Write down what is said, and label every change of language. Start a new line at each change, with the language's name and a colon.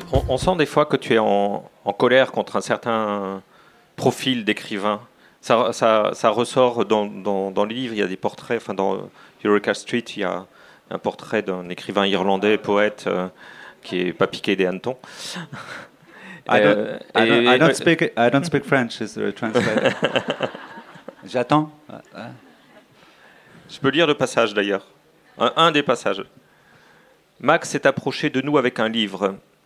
French: On sent des fois que tu es en colère contre un certain profil d'écrivain. Ça ressort dans les livres, il y a des portraits, enfin dans Eureka Street, il y a un portrait d'un écrivain irlandais, poète, qui n'est pas piqué des hannetons.
English: I don't speak French, is there a translator?
French: J'attends. Je peux lire le passage d'ailleurs, un des passages. Max s'est approché de nous avec un livre.